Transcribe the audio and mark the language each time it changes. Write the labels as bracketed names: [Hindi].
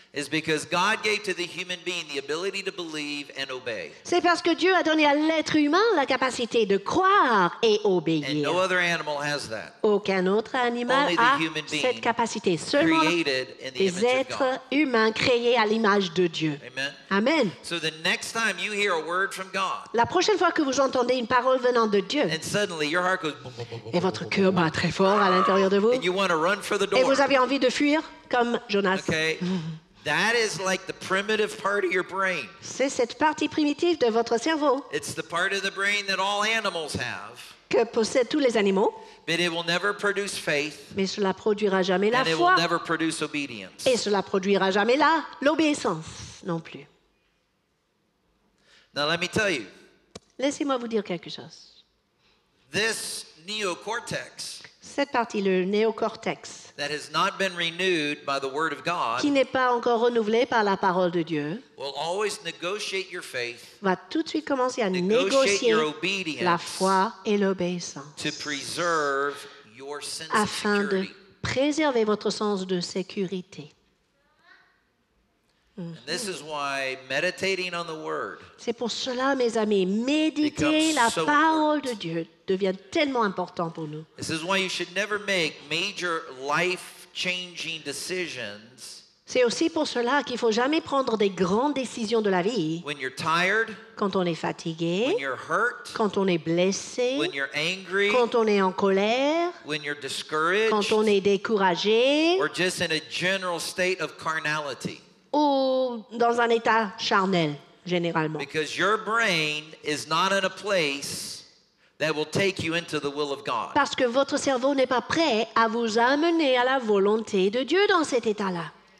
[English] is because God gave to the human being the ability to believe and obey. [French] C'est parce que Dieu a donné à l'être humain la capacité de croire et obéir. [English] And no other animal has that. [French] Aucun autre animal [English] only [French] a [English] the human being [French] cette capacité. Seulement [English] created in the [French] les êtres humains créés à l'image de Dieu. [English] Amen. [French] Amen. [English] So the next time you hear a word from God, [French] la prochaine fois que vous entendez une parole venant de Dieu, [English] and suddenly your heart goes, [French] et votre cœur bat très fort à l'intérieur de vous, [English] and you want to run for the door, [French] et vous avez envie de fuir comme Jonas. [English] Okay. That is like the primitive part of your brain. [French] C'est cette partie primitive de votre cerveau. [English] It's the part of the brain that all animals have. [French] Que possèdent tous les animaux. [English] But it will never produce faith. [French] Mais cela produira jamais la [English] foi. And it will never produce obedience. [French] Et cela produira jamais la l'obéissance non plus. [English] Now let me tell you. [French] Laissez-moi vous dire quelque chose. [English] This neocortex. [French] Cette partie, le néocortex. [English] That has not been renewed by the word of God. [French] Qui n'est pas encore renouvelé par la parole de Dieu. [English] Will always negotiate your faith. [French] Va tout de suite commencer à négocier la foi et l'obéissance. [English] To preserve your sense of security. [French] Afin de préserver votre sens de sécurité. [English] And this is why meditating on the word. [French] C'est pour cela, mes amis, méditer la parole de Dieu devient tellement important pour nous. [English] This is why you should never make major life-changing decisions. [French] C'est aussi pour cela qu'il faut jamais prendre des grandes décisions de la vie. [English] When you're tired. [French] Quand on est fatigué. [English] When you're hurt. [French] Quand on est blessé. [English] When you're angry. [French] Quand on est en colère. [English] When you're discouraged. [French] Quand on est découragé. [English] Or just in a general state of carnality. [French] Ou dans un état charnel, généralement. [English] Because your brain is not in a place that will take you into the will of God. [French] Parce que votre cerveau n'est pas prêt à vous amener à la volonté de Dieu dans cet état-là.